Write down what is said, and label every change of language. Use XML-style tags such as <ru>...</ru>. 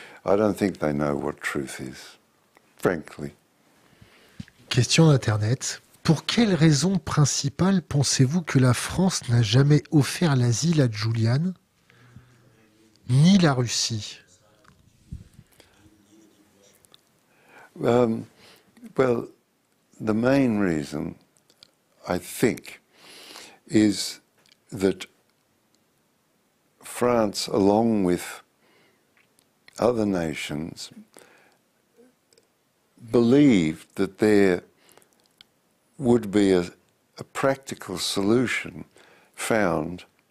<en>I don't think they know what truth is, frankly.</en> <fr>Question d'Internet. Pour quelle raison principale pensez-vous que la France n'a jamais offert l'asile à Julian, ni la Russie?</fr> <en>Well, the main reason, I think, is that France, along with other nations, believed that there would be a practical solution found</en>